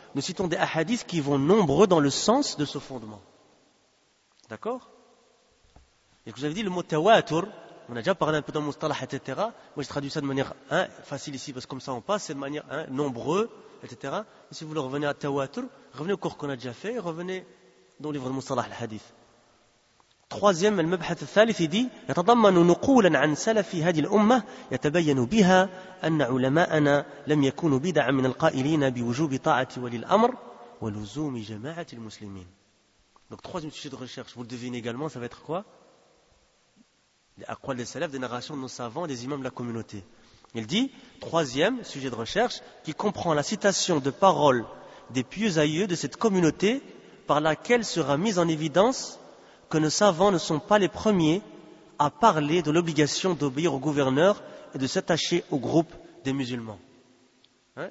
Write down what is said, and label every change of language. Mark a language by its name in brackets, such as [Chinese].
[French] Nous citons des hadiths qui vont nombreux dans le sens de ce fondement. D'accord? Et que vous avez dit le mot tawatur, on a déjà parlé un peu dans le mustalah, etc. Moi j'ai traduit ça de manière facile ici, parce que comme ça on passe, c'est de manière nombreux, etc. Et si vous voulez revenir à tawatur, revenez au cours qu'on a déjà fait, revenez dans le livre de mustalah, le hadith. Troisième, le mabhat al-thalith, il dit [Arabic] يتضمن نقولا عن سلف هذه الأمة يتبين بها أن علماءنا لم يكونوا بدعا من القائلين بوجوب طاعة ولي الأمر ولزوم جماعة المسلمين. [French] Donc troisième sujet de recherche, vous le devinez également, ça va être quoi? Les aqwal des salafs, des narrations de nos savants, des imams de la communauté. Il dit, troisième sujet de recherche, qui comprend la citation de paroles des pieux aïeux de cette communauté, par laquelle sera mise en évidence que nos savants ne sont pas les premiers à parler de l'obligation d'obéir au gouverneur et de s'attacher au groupe des musulmans. Hein?